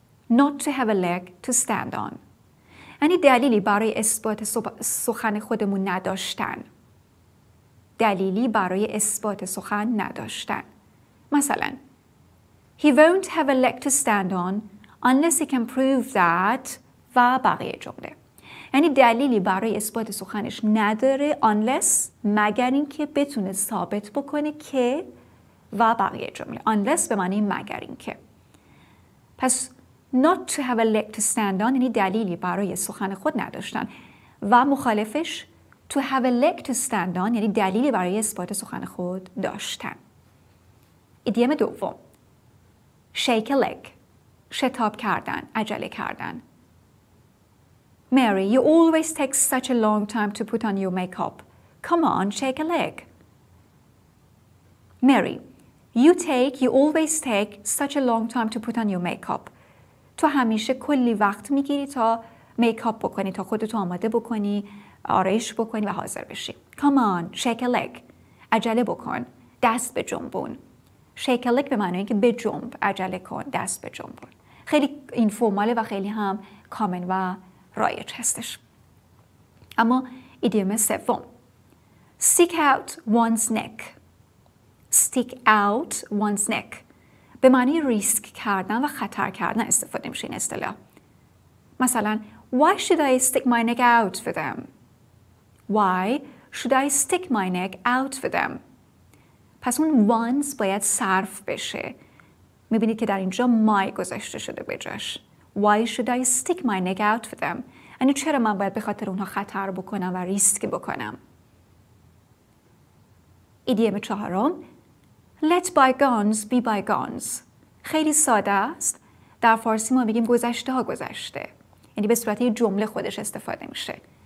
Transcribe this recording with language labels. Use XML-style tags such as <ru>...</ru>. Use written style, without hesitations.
<en>Not to have a leg to stand on.</en> <fa>یعنی دلیلی برای اثبات سخن خودمون نداشتن. دلیلی برای اثبات سخن نداشتن. مثلا</fa> <en>He won't have a leg to stand on unless he can prove that</en> <fa>و بقیه جمله. یعنی دلیلی برای اثبات سخنش نداره unless، مگر اینکه بتونه ثابت بکنه که و بقیه جمله. unless به معنی مگر اینکه. پس</fa> <en>not to have a leg to stand on</en> <fa>یعنی دلیلی برای سخن خود نداشتن و مخالفش</fa> <en>to have a leg to stand on</en> <fa>یعنی دلیلی برای اثبات سخن خود داشتن. ایدیم دوم، shake a leg، شتاب کردن، عجله کردن.</fa> <en>Mary, you always take such a long time to put on your makeup. Come on, shake a leg. Mary, you always take such a long time to put on your makeup.</en> <fa>تو همیشه کلی وقت میگیری تا میکاپ بکنی، تا خودتو آماده بکنی، آرایش بکنی و حاضر بشی.</fa> <en>Come on, shake a leg.</en> <fa>عجله بکن، دست به جنبون.</fa> <en>Shake a leg</en> <fa>به معنی که به جنب، عجله کن، دست به جنبون. خیلی این فرماله و خیلی هم کامن و رایج هستش. اما ایدیوم سوم، Stick out one's neck. Stick out one's neck به معنی ریسک کردن و خطر کردن استفاده میشه این اصطلاح. مثلا</fa> <en>Why should I stick my neck out for them? Why should I stick my neck out for them?</en> <fa>پس اون ones باید صرف بشه. میبینید که در اینجا my گذاشته شده به جاش.</fa> <en>Why should I stick my neck out for them?</en> <fa>یعنی چرا من باید به خاطر اونها خطر بکنم و ریسک بکنم؟ ایدیم چهارم،</fa> <en>Let bygones be bygones.</en> <fa>خیلی ساده است. در فارسی ما میگیم گذشته ها گذشته. یعنی به صورت یه جمله خودش استفاده میشه.</fa>